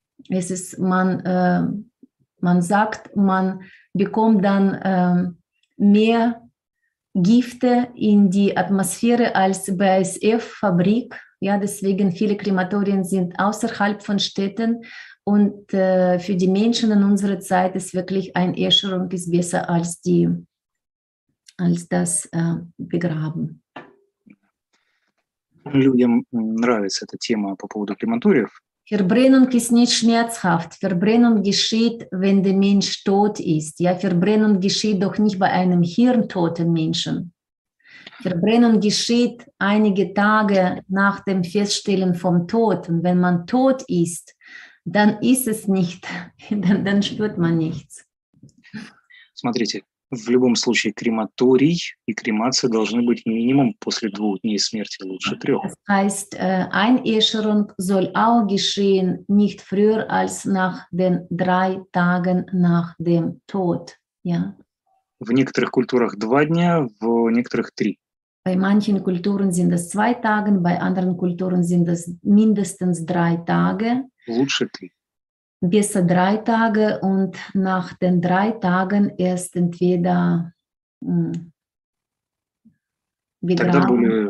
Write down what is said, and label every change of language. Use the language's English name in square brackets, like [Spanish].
[German] Es ist, man sagt, man bekommt dann mehr Gifte in die Atmosphäre als BASF-Fabrik. Ja, deswegen viele Krematorien sind außerhalb von Städten. Und für die Menschen in unserer Zeit ist wirklich ein Erschütterung ist besser als die, als das Begraben. [Russian] Людям нравится эта тема по поводу крематориев. [German] Verbrennung ist nicht schmerzhaft. Verbrennung geschieht, wenn der Mensch tot ist. Ja, Verbrennung geschieht doch nicht bei einem hirntoten Menschen. Verbrennung geschieht einige Tage nach dem Feststellen vom Tod. Und wenn man tot ist, dann ist es nicht, dann spürt man nichts. [Russian] Смотрите, в любом случае крематорий и кремация должны быть минимум после двух дней смерти, лучше трех. [German] Das heißt, Einäscherung soll auch geschehen nicht früher als nach den drei Tagen nach dem Tod. Ja. [Russian] В некоторых культурах два дня, в некоторых три. [German] Bei manchen Kulturen sind es zwei Tage, bei anderen Kulturen sind es mindestens drei Tage. [Russian] Лучше три. [German] Besser drei Tage und nach den drei Tagen erst entweder begraben